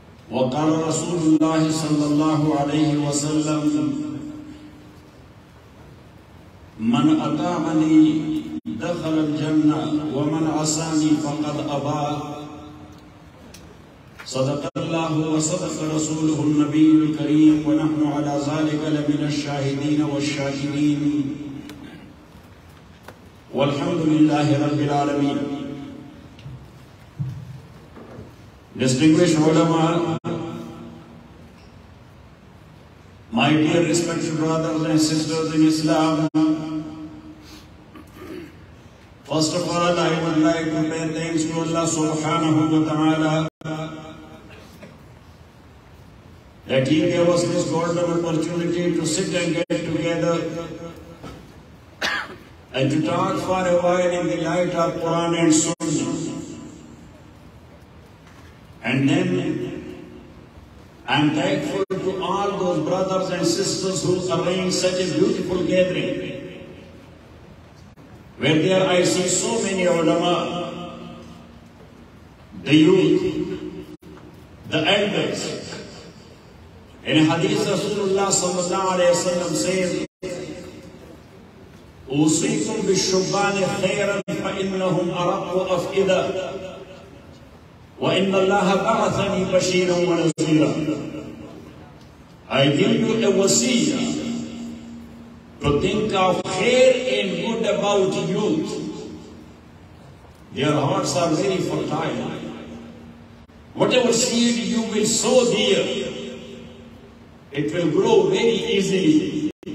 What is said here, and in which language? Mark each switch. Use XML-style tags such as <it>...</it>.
<ar>وقال رسول الله صلى الله عليه وسلم من أطاعني دخل الجنة ومن عصاني فقد أبى صدق الله وصدق رسوله النبي الكريم ونحن على ذلك لمن الشاهدين والشاكرين والحمد لله رب العالمين.</ar> <en>Distinguished علماء, my dear respected brothers and sisters in Islam, first of all, I would like to pay thanks to Allah subhanahu wa ta'ala that He gave us this golden opportunity to sit and get together and to talk for a while in the light of Quran and Sunnah. And then I'm thankful to all those brothers and sisters who arranged such a beautiful gathering, where there I see so many ulama, the youth, the elders. In Hadith, Rasulullah sallallahu alayhi wa sallam says,</en> <ar>أُوصِيكُمْ بِالشُّبَّانِ خَيْرًا فَإِنَّهُمْ أَرَقُّ أَفْئِدَةً وَإِنَّ اللَّهَ بَعَثَنِي بَشِيرًا وَنَذِيرًا.</ar> <en>I give you a wasiya to think of khair and good about youth. Their hearts are very fertile. Whatever seed you will sow here, it will grow very easily.</en>